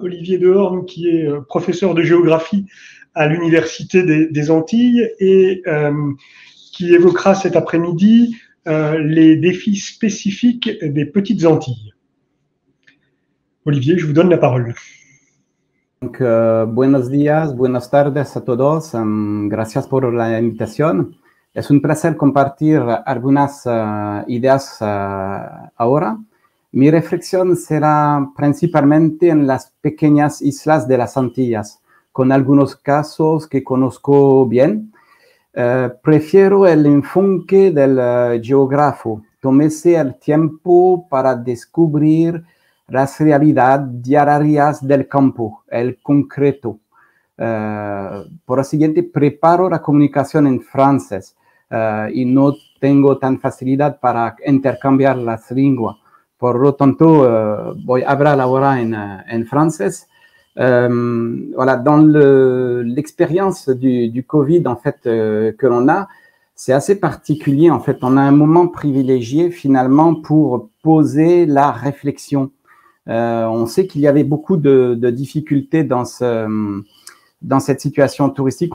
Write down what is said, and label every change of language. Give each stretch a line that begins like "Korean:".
French: Olivier Dehorne, qui est professeur de géographie à l'Université des Antilles et qui évoquera cet après-midi les défis spécifiques des petites Antilles. Olivier, je vous donne la parole.
Spanish: Donc, buenos días, buenas tardes a todos. Gracias por la invitación. Es un placer compartir algunas ideas ahora. Mi reflexión será principalmente en las pequeñas islas de las Antillas, con algunos casos que conozco bien. Prefiero el enfoque del geógrafo. Tómese el tiempo para descubrir las realidades diarias del campo, el concreto. Por lo siguiente, preparo la comunicación en francés. Y no tengo tan facilidad para intercambiar las lenguas. Por lo tanto, voy a hablar ahora en francés.
French: Voilà, dans l'expérience du COVID, en fait, que l'on a, c'est assez particulier. En fait, on a un moment privilégié, finalement, pour poser la réflexion. On sait qu'il y avait beaucoup de difficultés dans cette situation touristique.